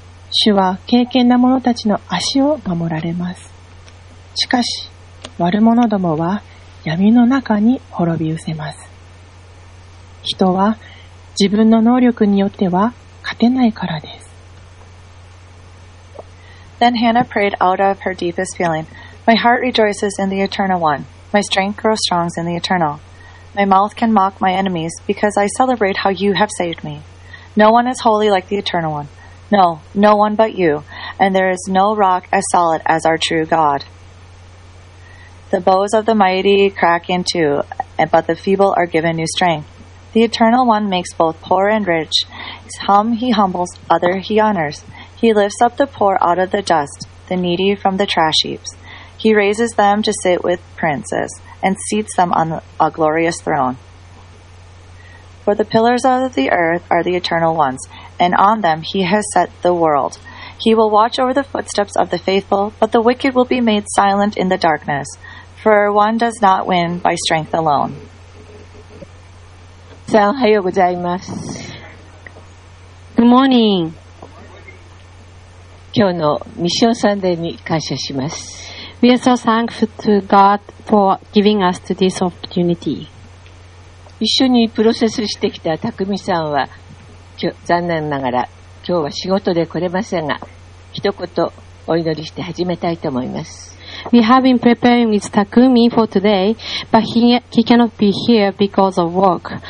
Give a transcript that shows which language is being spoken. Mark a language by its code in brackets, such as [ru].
[ja] 主は敬虔な者たちの足を守られます。しかし、悪者どもは闇の中に滅び失せます。人は自分の能力によっては勝てないからです。 [en] Then Hannah prayed out of her deepest feeling. My heart rejoices in the Eternal One. My strength grows strong in the Eternal. My mouth can mock my enemies because I celebrate how you have saved me. No one is holy like the Eternal One. No, no one but you, and there is no rock as solid as our true God. The bows of the mighty crack in two, but the feeble are given new strength. The Eternal One makes both poor and rich. Some he humbles, others he honors. He lifts up the poor out of the dust, the needy from the trash heaps. He raises them to sit with princes, and seats them on a glorious throne. For the pillars of the earth are the eternal ones, and on them he has set the world. He will watch over the footsteps of the faithful, but the wicked will be made silent in the darkness, for one does not win by strength alone. [ja] さん、おはようございます。 [en] Good morning. [ja] 今日のミッションサンデーに感謝します。 [en] We are so thankful to God for giving us this opportunity. [ja] 一緒にプロセスしてきたたくみさんは残念ながら今日は仕事で来れませんが一言お祈りして始めたいと思います。 [en] We have been preparing with Takumi for today, but he cannot be here because of work.